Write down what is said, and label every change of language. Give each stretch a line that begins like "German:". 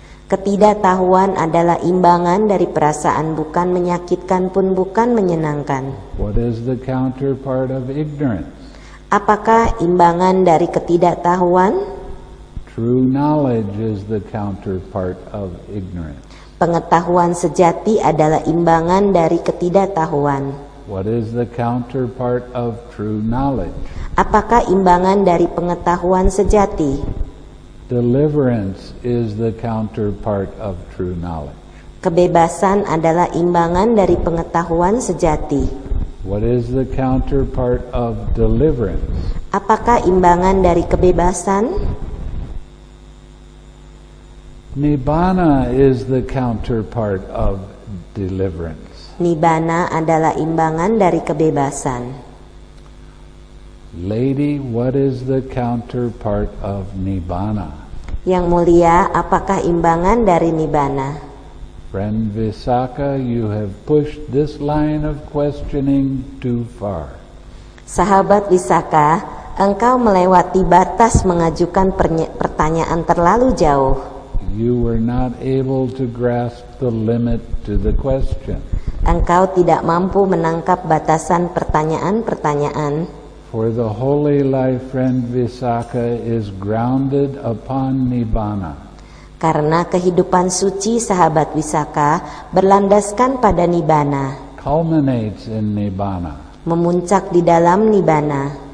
Indonesian: Ketidaktahuan adalah imbangan dari perasaan bukan menyakitkan pun bukan menyenangkan.
English: What is the counterpart of ignorance?
Indonesian: Apakah imbangan dari ketidaktahuan?
English: True knowledge is the counterpart of ignorance.
Indonesian: Pengetahuan sejati adalah imbangan dari ketidaktahuan.
English: What is the counterpart of true knowledge?
Indonesian: Apakah imbangan dari pengetahuan sejati?
English: Deliverance is the counterpart of true knowledge.
Indonesian: Kebebasan adalah imbangan dari pengetahuan sejati.
English: What is the counterpart of deliverance?
Indonesian: Apakah imbangan dari kebebasan?
English: Nibbana is the counterpart of deliverance.
Indonesian: Nibbana adalah imbangan dari kebebasan.
English: Lady, what is the counterpart of Nibbana?
Indonesian: Yang mulia, apakah imbangan dari Nibbana?
English: Friend Visakha, you have pushed this line of questioning too far.
Indonesian: Sahabat Visakha, engkau melewati batas mengajukan pertanyaan terlalu jauh.
English: You were not able to grasp the limit to the question.
Indonesian: Engkau tidak mampu menangkap batasan pertanyaan-pertanyaan.
English: For the holy life, friend Visakha, is grounded upon Nibbana.
Indonesian: Karena kehidupan suci sahabat Visakha berlandaskan pada Nibbana.
English: Culminates in Nibbana.
Indonesian: Memuncak di dalam Nibbana.